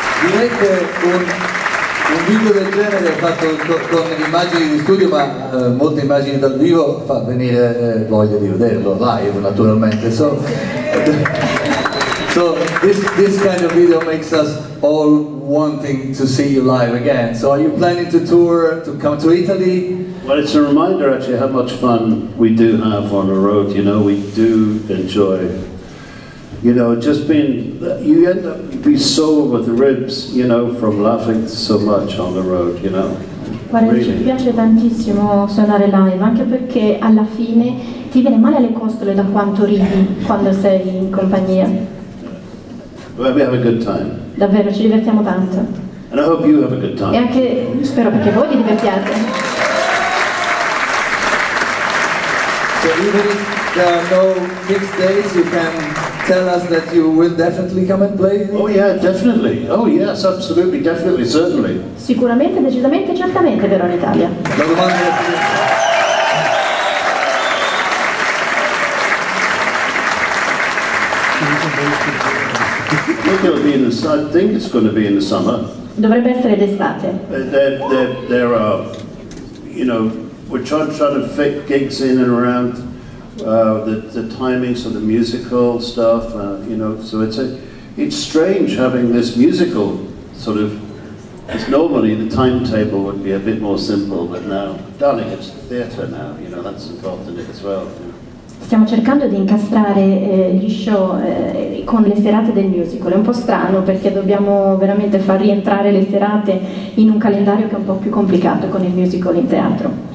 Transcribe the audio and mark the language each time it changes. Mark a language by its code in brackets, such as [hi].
[it] Direi che Un video del genere fatto con immagini di studio, ma molte immagini dal vivo, fa venire voglia di vederlo live, naturalmente. [en] So this kind of video makes us all wanting to see you live again. So are you planning to tour, to come to Italy? Well, it's a reminder actually how much fun we do have on the road, you know, we do enjoy, you know, just being, you end up being sore with the ribs, you know, from laughing so much on the road, you know. [it] Guarda, ci piace tantissimo suonare live, anche perché alla fine ti viene male alle costole da quanto ridi quando sei in compagnia. [en] Well, we have a good time. [it] Davvero, ci divertiamo tanto. [en] And I hope you have a good time. [it] E anche, spero perché voi vi divertiate. [en] So even if there are no fixed days, you can tell us that you will definitely come and play. Oh yeah, definitely. Oh yes, absolutely, definitely, certainly. [it] Sicuramente, decisamente, certamente verrò in Italia. La domanda è più. [en] Think it'll be in the summer. I think it's going to be in the summer. [it] Dovrebbe essere d'estate. [en] There are, you know, we're trying to fit gigs in and around the timings of the musical stuff, you know, so it's strange having this musical sort of, because normally the timetable would be a bit more simple, but now, darling, it's theatre now, you know, that's important as well. [it] Stiamo cercando di incastrare gli show con le serate del musical. È un po' strano perché dobbiamo veramente far rientrare le serate in un calendario che è un po' più complicato con il musical in teatro.